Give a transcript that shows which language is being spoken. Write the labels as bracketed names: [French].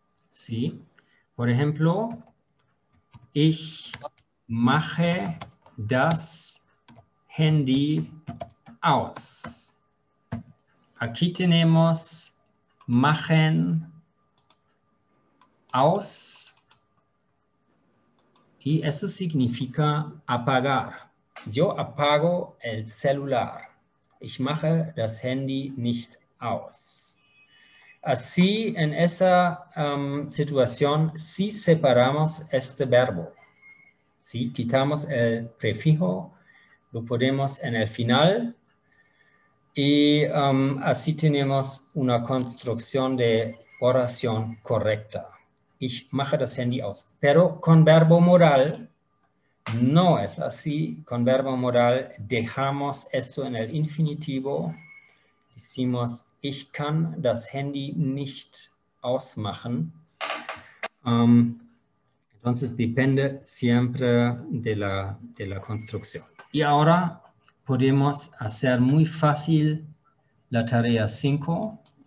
[German] ¿Sí? Por ejemplo, ich mache das Handy aus. [Spanish] Aquí tenemos machen aus y eso significa apagar. Yo apago el celular. [German] Ich mache das Handy nicht aus. [Spanish] Así, en esa situación, sí separamos este verbo. Sí, quitamos el prefijo, lo ponemos en el final. Y así tenemos una construcción de oración correcta. Ich mache das Handy aus. Pero con verbo modal no es así. Con verbo modal dejamos eso en el infinitivo. [German] Decimos, ich kann das Handy nicht ausmachen. [Spanish] Entonces depende siempre de la construcción. Y ahora podemos hacer muy fácil la tarea 5.